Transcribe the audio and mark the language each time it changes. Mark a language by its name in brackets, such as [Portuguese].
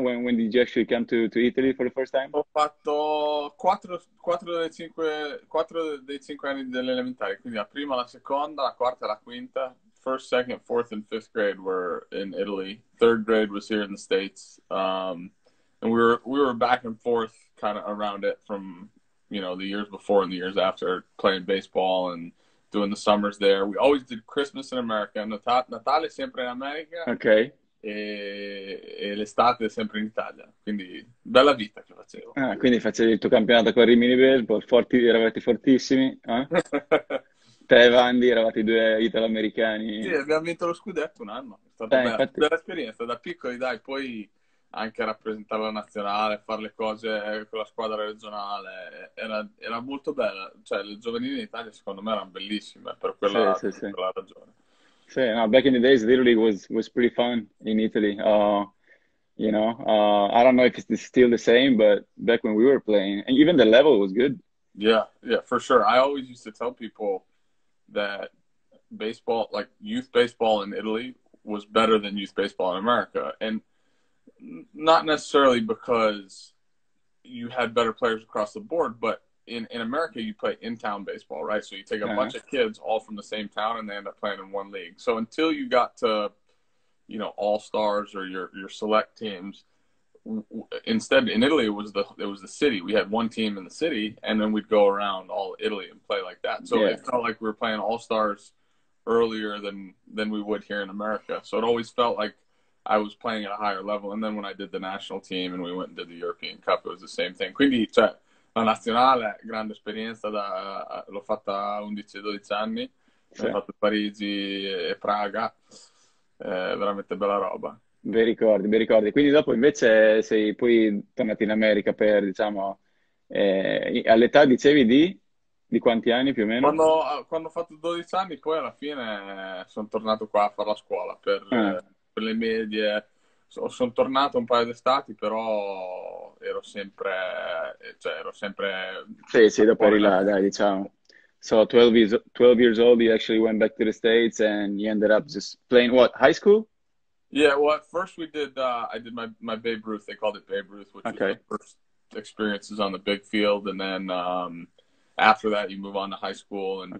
[English] When did you actually come to Italy for the first time? [Italian] Ho fatto 4 dei 5 anni delle elementari, quindi la prima, la seconda, la quarta e la quinta. [English] First, second, fourth and fifth grade were in Italy. Third grade was here in the States. And we were back and forth kind of around it from, you know, the years before and the years after playing baseball and doing the summers there. We always did Christmas in America. [Italian] Natale sempre in America. [English] Okay. [Italian] E l'estate sempre in Italia, quindi bella vita che facevo. Ah, quindi facevi il tuo campionato con Rimini Baseball, eravate fortissimi, eh? Te e Vandi eravate due italo-americani. Sì, abbiamo vinto lo scudetto un anno, è stata bella esperienza, da piccoli dai, poi anche rappresentare la nazionale, fare le cose con la squadra regionale, era molto bella, cioè le giovanili in Italia secondo me erano bellissime per quella, quella ragione. [English] So, you know, back in the days, literally was pretty fun in Italy. You know, I don't know if it's still the same, but back when we were playing, and even the level was good. Yeah, for sure. I always used to tell people that baseball, like youth baseball in Italy, was better than youth baseball in America. And not necessarily because you had better players across the board, but In America, you play in-town baseball, right? So you take a bunch of kids all from the same town and they end up playing in one league. So until you got to, you know, all-stars or your select teams, instead in Italy, it was the city. We had one team in the city and then we'd go around all Italy and play like that. So it felt like we were playing all-stars earlier than we would here in America. So it always felt like I was playing at a higher level. And then when I did the national team and we went and did the European Cup, it was the same thing. [Italian] Quindi, cioè, la nazionale, grande esperienza, l'ho fatta a 11-12 anni, ho fatto Parigi e Praga, veramente bella roba. Mi ricordi. Quindi dopo invece sei poi tornato in America per, diciamo, all'età dicevi di? Di quanti anni più o meno? Quando ho fatto 12 anni, poi alla fine sono tornato qua a fare la scuola per le medie. Sono tornato un paio d'estati, però ero sempre Sì, dopo eri là, dai, diciamo. [English] So, 12 years old, you actually went back to the States and you ended up just playing what, high school? Yeah, well, at first we did, I did my Babe Ruth, they called it Babe Ruth, which Okay. was my first experiences on the big field. And then after that, you move on to high school, and